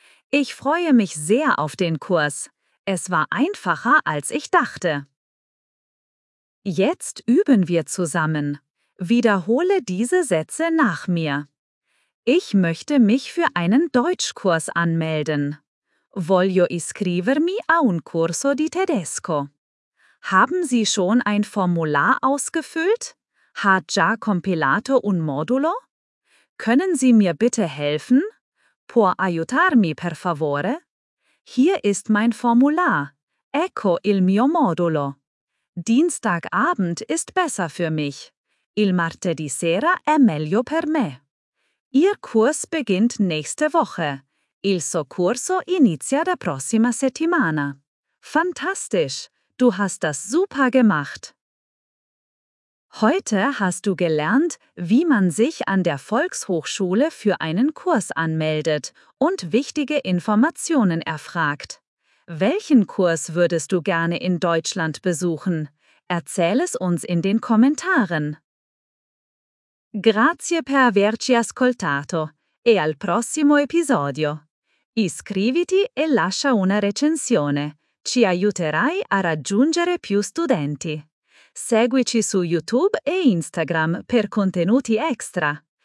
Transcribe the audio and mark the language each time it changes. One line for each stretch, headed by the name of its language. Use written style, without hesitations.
German: Ich freue mich sehr auf den Kurs. Es war einfacher, als ich dachte. Jetzt üben wir zusammen. Wiederhole diese Sätze nach mir. Ich möchte mich für einen Deutschkurs anmelden.
Italian: Voglio iscrivermi a un corso di tedesco.
German: Haben Sie schon ein Formular ausgefüllt?
Italian: Hat già compilato un modulo?
German: Können Sie mir bitte helfen?
Italian: Può aiutarmi per favore?
German: Hier ist mein Formular.
Italian: Ecco il mio modulo.
German: Dienstagabend ist besser für mich.
Italian: Il martedì sera è meglio per me.
German: Ihr Kurs beginnt nächste Woche.
Italian: Il suo corso inizia la prossima settimana.
German: Fantastisch! Du hast das super gemacht! Heute hast du gelernt, wie man sich an der Volkshochschule für einen Kurs anmeldet und wichtige Informationen erfragt. Welchen Kurs würdest du gerne in Deutschland besuchen? Erzähl es uns in den Kommentaren.
Italian: Grazie per averci ascoltato e al prossimo episodio. Iscriviti e lascia una recensione. Ci aiuterai a raggiungere più studenti. Seguici su YouTube e Instagram per contenuti extra.